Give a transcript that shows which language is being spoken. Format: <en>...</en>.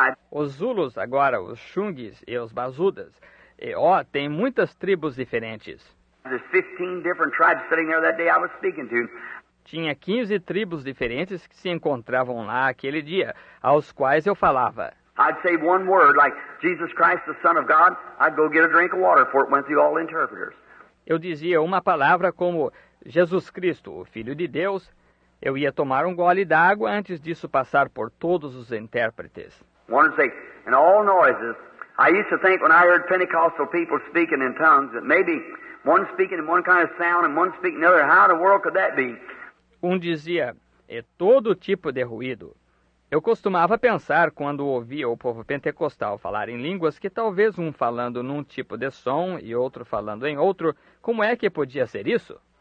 <pt>Os Zulus, agora os Xungis e os Bazudas, e tem muitas tribos diferentes.</pt> <en>There's 15 different tribes sitting there that day I was speaking to.</en> <pt>Tinha 15 tribos diferentes que se encontravam lá aquele dia, aos quais eu falava.</pt> <en>I'd say one word like Jesus Christ, the Son of God, I'd go get a drink of water before it went through all the interpreters.</en> <pt>Eu dizia uma palavra como Jesus Cristo, o Filho de Deus. Eu ia tomar gole d'água antes disso passar por todos os intérpretes.</pt> <en>One thing, in all noises, I used to think when I heard Pentecostal people speaking in tongues that maybe one speaking in one kind of sound and one speaking another, how in the world could that be?</en> <pt>Dizia, é todo tipo de ruído. Eu costumava pensar quando ouvia o povo pentecostal falar em línguas que talvez falando num tipo de som e outro falando em outro, como é que podia ser isso?</pt>